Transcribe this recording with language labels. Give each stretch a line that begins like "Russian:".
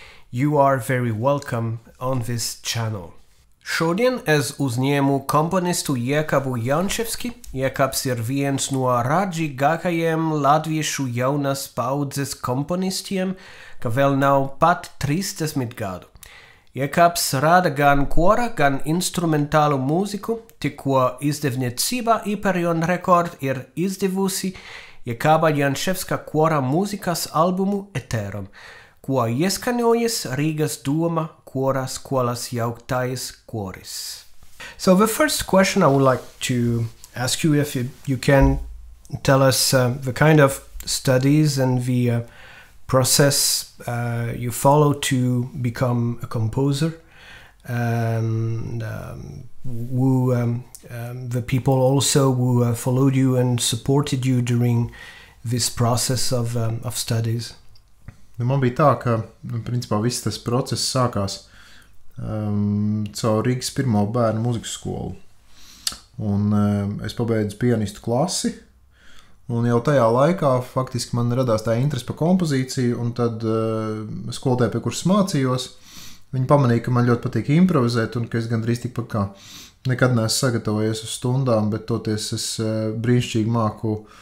English: You are very welcome on this channel.
Latvian: Šodien es uzņēmu komponistu Jēkabu Jančevski. Jēkabs ir viens no radzīgākajiem latviešu jaunas paudzes komponistiem, ka vēl nav pat 30 gadu. Jēkabs rada gan kora, gan instrumentālu mūziku, tikko izdevniecība Hyperion Record ir izdevusi Jēkaba Jančevska kora mūzikas albumu Eterum, ko ieskaņojas Rīgas doma, Kora skolas jauktais koris.
English: So the first question I would like to ask you, if you can tell us the kind of studies and the process you follow to become a composer, and the people also who followed you and supported you during this process of studies.
Latvian: Man bija tā, ka principā viss tas process sākās caur Rīgas pirmo bērnu mūzikas skolu. Un es pabeidzu pianistu klasi, un jau tajā laikā faktiski man radās tā interese par kompozīciju, un tad skolotāja, pie kuras mācījos, viņi pamanīja, ka man ļoti patīk improvizēt, un ka es gandrīz tik pat kā nekad neesmu sagatavojies uz stundām, bet toties es brīnišķīgi māku